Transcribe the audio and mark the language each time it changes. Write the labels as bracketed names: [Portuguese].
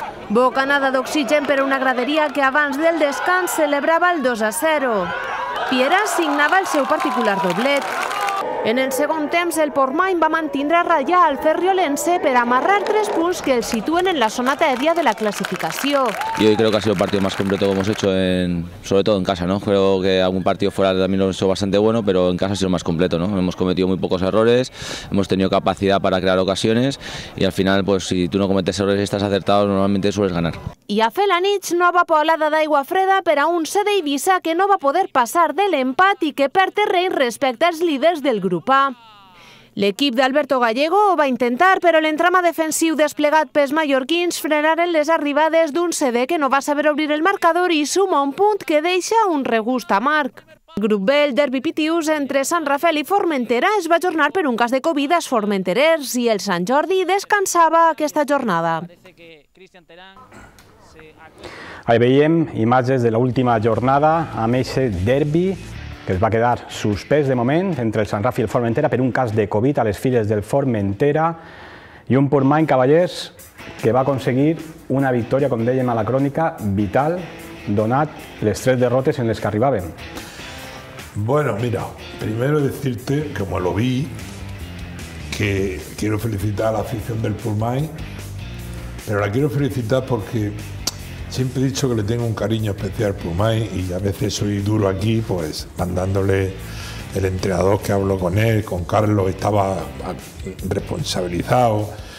[Catalan] Bocanada d'oxigen per a una graderia que abans del descans celebrava el 2-0. Piera signava el seu particular doblet. En el segon temps, el Portmany va mantindre a ratlla el Ferriolense per amarrar 3 punts que el situen en la zona tèbia de la classificació. [Spanish] Yo creo que ha sido el partido más completo que hemos hecho, sobre todo en casa, ¿no? Creo que algún partido fuera también lo ha sido bastante bueno, pero en casa ha sido más completo, ¿no? Hemos cometido muy pocos errores, hemos tenido capacidad para crear ocasiones y al final, pues si tú no cometes errores y estás acertado, normalmente sueles ganar. [Catalan] I a fer la nit, nova polada d'aigua freda per a un CD Eivissa que no va poder passar de l'empat i que perd terreny respecte als líders del grup A. L'equip d'Alberto Gallego ho va intentar, però l'entrama defensiu desplegat pels mallorquins frenaren les arribades d'un CD que no va saber obrir el marcador i suma un punt que deixa un regust amarg. Grup B, el derbi Pitius entre Sant Rafel i Formentera es va ajornar per un cas de Covid als formenterers i el Sant Jordi descansava aquesta jornada. Ahí veiem imatges de l'última jornada amb aquest derbi que es va quedar suspès de moment entre el Sant Rafel i el Formentera per un cas de Covid a les files del Formentera i un Portmany Cavallers que va aconseguir una victòria, com dèiem a la crònica, vital, donat les 3 derrotes en les que arribàvem. [Spanish] Bueno, mira, primero decirte, como lo vi, que quiero felicitar a la afición del Portmany, pero la quiero felicitar porque siempre he dicho que le tengo un cariño especial por Mai y a veces soy duro aquí, pues mandándole el entrenador que hablo con él, con Carlos, estaba responsabilizado.